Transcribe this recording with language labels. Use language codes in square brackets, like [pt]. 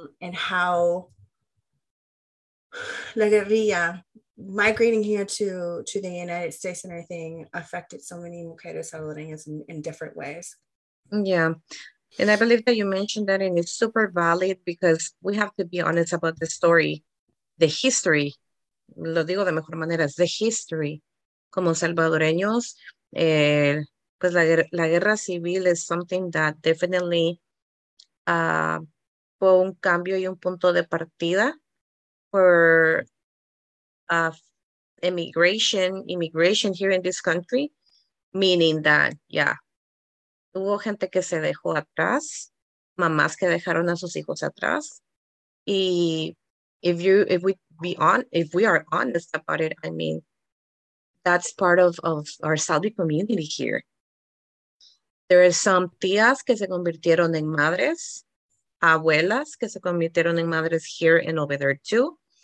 [en] and how la guerrilla migrating here to the United States and everything affected so many [es] mujeres salvadoreñas [en] in different ways. Yeah. And I believe that you mentioned that, and it's super valid because we have to be honest about the story, the history. [es] Lo digo de mejor manera, es [en] the history. [es] Como salvadoreños, pues la guerra civil [en] is something that definitely [es] fue un cambio y un punto de partida [en] for immigration here in this country, meaning that, yeah. [es] Hubo gente que se dejó atrás, mamás que dejaron a sus hijos atrás. [en] Y if we are honest about it, I mean, that's part of our Saudi community here. There are some [es] tías que se convirtieron en madres, [en] abuelas que se convirtieron en madres here and over there too.